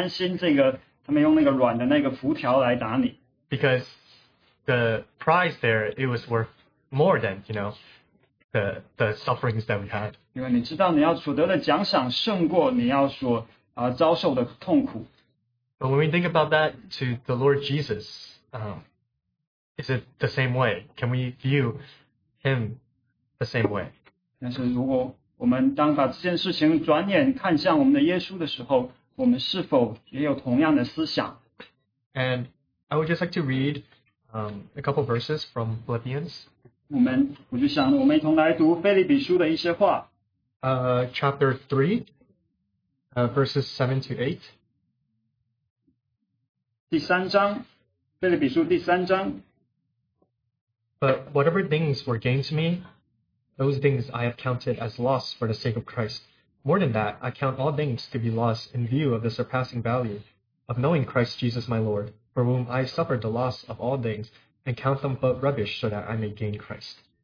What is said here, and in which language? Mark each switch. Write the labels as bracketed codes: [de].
[zh] 是，如果你在那个游戏当中，那你为了得着这个，你就不会害怕，不会担心这个他们用那个软的那个浮条来打你。 [en] Because the prize there, it was worth more than, you know, the sufferings that we had. [zh] 因为你知道你要取得的奖赏胜过你要所遭受的痛苦。 [en] But when we think about that to the Lord Jesus, is it the same way? Can we view him the same way? [zh] 但是如果我们当把这件事情转眼看向我们的耶稣的时候，我们是否也有同样的思想？ [en] And I would just like to read a couple verses from Philippians. [zh] 我就想我们一同来读腓立比书的一些话。 [en] Chapter 3, verses 7 to 8. [zh] 第三章，腓立比书第三章。 [en] But whatever things were gained to me, those things I have counted as loss for the sake of Christ. More than that, I count all things to be loss in view of the surpassing value of knowing Christ Jesus my Lord, for whom I suffered the loss of all things, and count them but rubbish so that I may gain Christ.